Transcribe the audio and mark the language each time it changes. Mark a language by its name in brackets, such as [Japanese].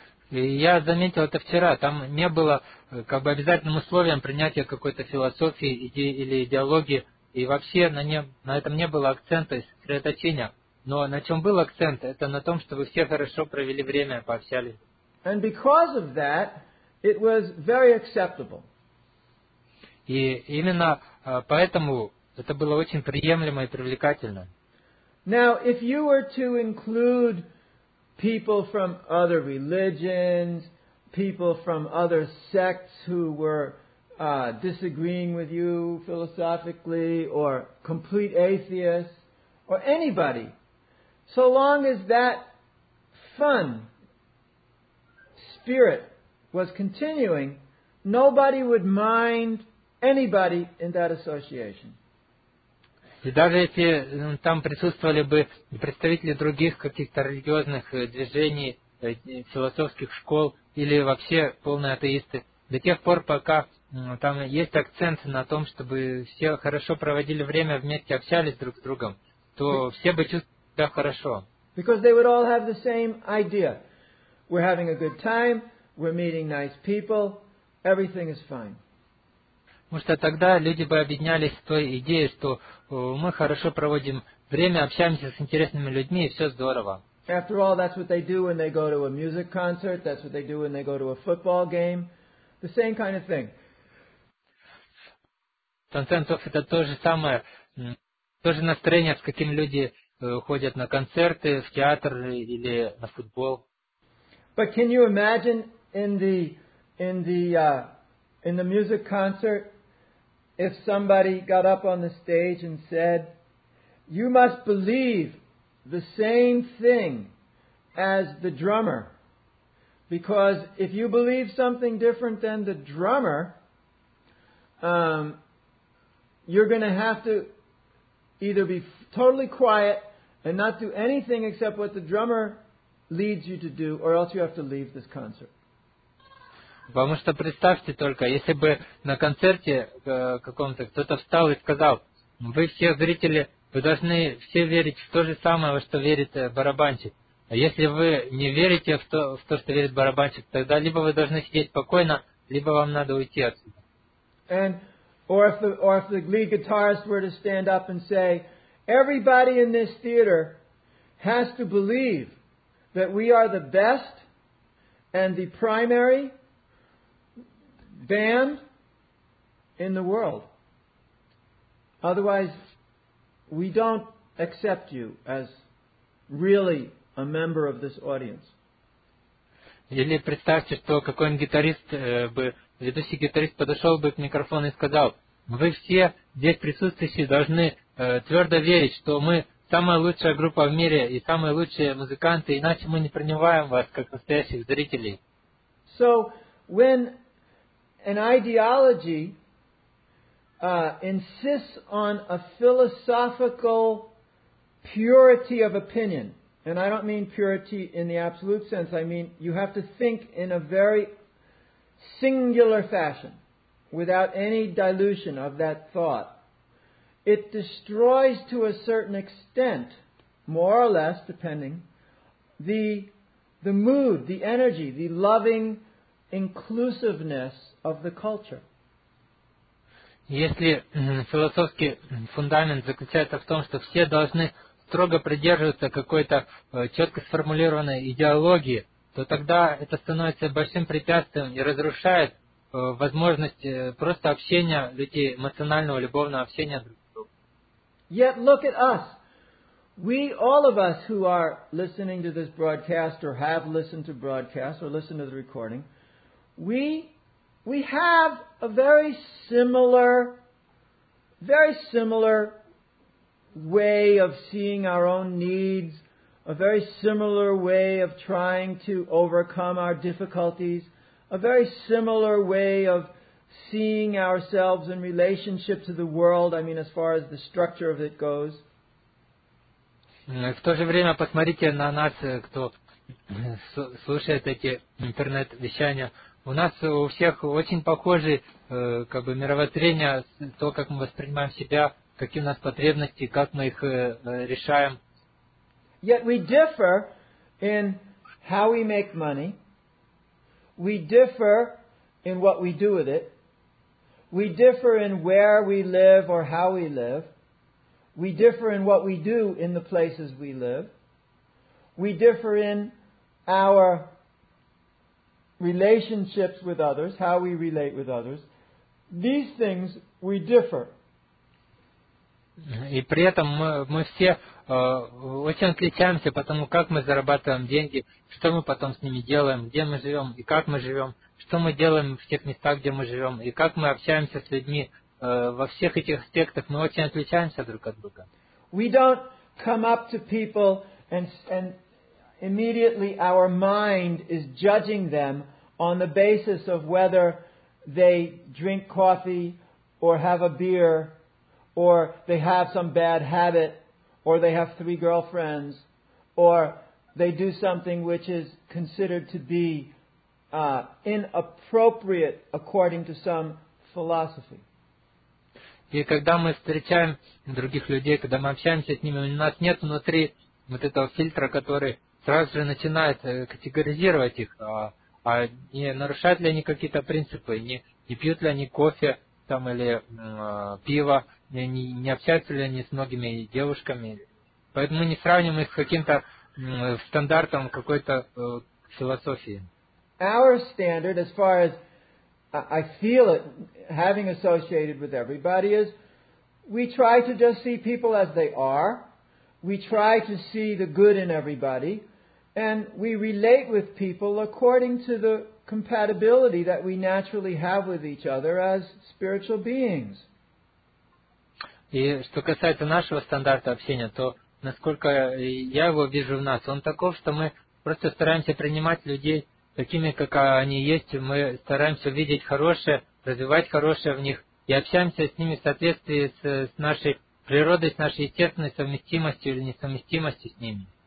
[Russian] И я заметил это вчера, там не было как бы обязательным условием принятия какой-то философии, идеи или идеологии, и вообще на этом не было акцента и сосредоточения. Но на чем был акцент, это на том, что вы все хорошо провели время, пообщались. [English] And because of that, it was very acceptable. [Russian] И именно поэтому это было очень приемлемо и привлекательно. [English] Now, if you were to include people from other religions, people from other sects who were disagreeing with you philosophically, or complete atheists, or anybody. So long as that fun spirit was continuing, nobody would mind anybody in that association. [Russian] И даже если там присутствовали бы представители других каких-то религиозных движений, философских школ или вообще полные атеисты, до тех пор, пока там есть акцент на том, чтобы все хорошо проводили время вместе, общались друг с другом, то все бы чувствовали себя хорошо. [English] Because they would all have the same idea. We're having a good time, we're meeting nice people, everything is fine. [Russian] Потому что тогда люди бы объединялись с той идеей, что мы хорошо проводим время, общаемся с интересными людьми, и все здорово. [English] After all, that's what they do when they go to a music concert, that's what they do when they go to a football game. The same kind of thing. [Russian] В конце концов, это то же самое, то же настроение, с каким люди ходят на концерты, в театр или на футбол. [English] But can you imagine in the music concert, if somebody got up on the stage and said, you must believe the same thing as the drummer, because if you believe something different than the drummer, you're going to have to either be totally quiet and not do anything except what the drummer leads you to do, or else you have to leave this concert. [Russian] Потому что представьте только, если бы на концерте каком-то кто-то встал и сказал, вы все зрители, вы должны все верить в то же самое, во что верит барабанщик. А если вы не верите в то, что верит барабанщик, тогда либо вы должны сидеть спокойно, либо вам надо уйти отсюда. [English] And, or if the lead guitarist were to stand up and say, everybody in this theater has to believe that we are the best and the primary band in the world. Otherwise, we don't accept you as really a member of this audience. [Russian] Или представьте, что какой-нибудь гитарист бы, ведущий гитарист подошел бы к микрофону и сказал, вы все здесь присутствующие должны твердо верить, что мы самая лучшая группа в мире и самые лучшие музыканты, иначе мы не принимаем вас как настоящих зрителей. [English] So, when an ideology insists on a philosophical purity of opinion, and I don't mean purity in the absolute sense, I mean you have to think in a very singular fashion, without any dilution of that thought, it destroys to a certain extent, more or less, depending, the mood, the energy, the loving inclusiveness of the culture. [Russian] Если философский фундамент заключается в том, что все должны строго придерживаться какой-то четко сформулированной идеологии, то тогда это становится большим препятствием и разрушает возможность просто общения людей, эмоционального, любовного общения друг с другом. [English] Yet look at us. We, all of us who are listening to this broadcast or have listened to broadcast or listened to the recording, we have a very similar way of seeing our own needs, a very similar way of trying to overcome our difficulties, a very similar way of seeing ourselves in relationship to the world, I mean, as far as the structure of it goes. [Russian] В то же время, посмотрите на нас, кто слушает эти интернет-вещания. У нас у всех очень похожие как бы мировоззрения, то, как мы воспринимаем себя, какие у нас потребности, как мы их решаем. [English] Yet we differ in how we make money. We differ in what we do with it. We differ in where we live or how we live. We differ in what we do in the places we live. We differ in our relationships with others, how we relate with others. These things, we differ. [Russian] И при этом мы все очень отличаемся, потому как мы зарабатываем деньги, что мы потом с ними делаем, где мы живем и как мы живем, что мы делаем в тех местах, где мы живем, и как мы общаемся с людьми. Во всех этих аспектах мы очень отличаемся друг от друга. [English] We don't come up to people and immediately our mind is judging them on the basis of whether they drink coffee or have a beer, or they have some bad habit, or they have three girlfriends, or they do something which is considered to be inappropriate according to some philosophy. [Russian] И когда мы встречаем других людей, когда мы общаемся с ними, у нас нет внутри вот этого фильтра, который сразу же начинает категоризировать их, а не нарушают ли они какие-то принципы, не пьют ли они кофе там, или пиво, не общаются ли они с многими девушками. Поэтому мы не сравним их с каким-то стандартом какой-то философии. [English] Our standard, as far as I feel it, having associated with everybody, is we try to just see people as they are. We try to see the good in everybody. And we relate with people according to the compatibility that we naturally have with each other as spiritual beings. [Russian] И что касается нашего стандарта общения, то насколько я его вижу в нас, он таков, что мы просто стараемся принимать людей такими, как они есть, мы стараемся видеть хорошее, развивать хорошее в них, и общаемся с ними в соответствии с нашей природой, с нашей естественной совместимостью или несовместимостью с ними.